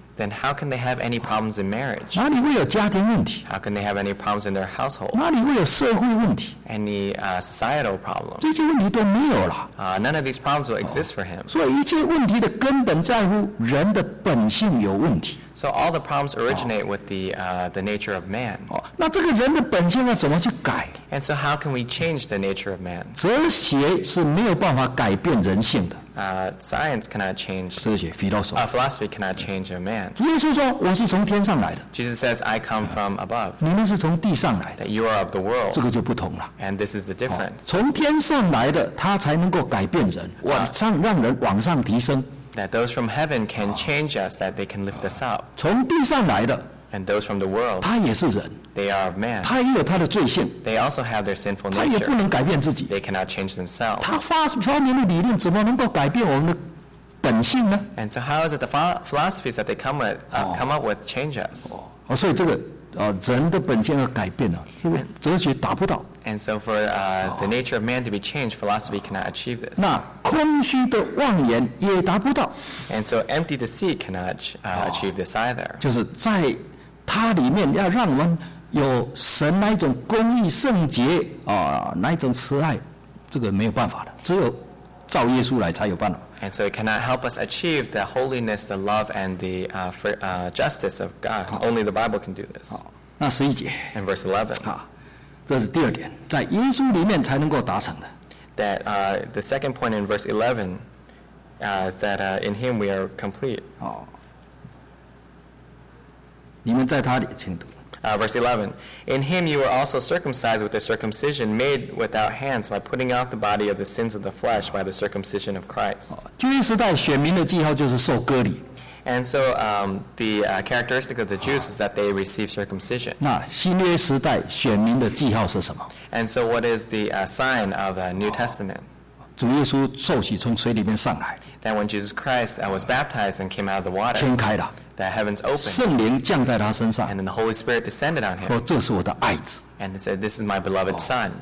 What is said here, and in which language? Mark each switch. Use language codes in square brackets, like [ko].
[en] ？Then how can they have any problems in marriage? [zh] 哪里会有家庭问题 [en] ？How can they have any problems in their household? [zh] 哪里会有社会问题？ [en] Any societal problems. [zh] 这些问题都没有了。 [en] None of these problems will exist for him. [zh] 所以一切问题的根本在乎人的本性有问题。 [en] So all the problems originate with the nature of man. [zh] 那这个人的本性要怎么去改 [en] ？And so how can we change the nature of man? [zh] 哲学是没有办法改变人性的。 [en] Science cannot change. [zh] 哲学 ，philosophy. [en] Philosophy cannot change a man. [zh] 耶稣说：“我是从天上来的。 [en] ”Jesus says, "I come from above." [zh] 你们是从地上来的。 [en] That you are of the world. [zh] 这个就不同了。 [en] And this is the difference. [zh] 从天上来的，他才能够改变人，往上让人往上提升。 [en] That those from heaven can change us, that they can lift us up. [zh] 从地上来的 [en] ，and those from the world. [zh] 他也是人 [en] ，they are of man. [zh] 他也有他的罪性 [en] ，they also have their sinful nature. [zh] 他也不能改变自己 [en] ，they cannot change themselves. [zh] 他发明的理论怎么能够改变我们的本性呢 [en] ？And so how is it the philosophies that they come up with change us? [zh] 所以这个人的本性要改变了，因为哲学达不到。 [en] And so for the nature of man to be changed, philosophy cannot achieve this. [zh] 那空虚的妄言也达不到。 [en] And so empty deceit cannot achieve this either. [zh] 就是在它里面要让我们有神那一种公义圣洁那一种慈爱，这个没有办法的，只有照耶稣来才有办法。 [en] And so it cannot help us achieve the holiness, the love, and the justice of God. Only the Bible can do this. [zh] 那十一节。 [en] And verse 11. [zh] 这是第二点，在耶稣里面才能够达成的。 [en] That the second point in verse 11 is that in Him we are complete. [zh] 你们在他里，请读。 [en] Verse 11. In Him you were also circumcised with the circumcision made without hands by putting off the body of the sins of the flesh by the circumcision of Christ. [zh] 旧约时代选民的记号就是受割礼。 [en] And so the characteristic of the Jews is that they receive circumcision. [zh] 那新约时代选民的记号是什么 [en] ？And so, what is the sign of a New Testament? [zh] 主耶稣受洗从水里面上来。 [en] That when Jesus Christ was baptized and came out of the water, [zh] 天开了。 [en] That heaven's opened. [zh] 圣灵降在他身上。 [en] And then the Holy Spirit descended on him. [zh] 说这是我的爱子。 [en] And said, "This is my beloved son."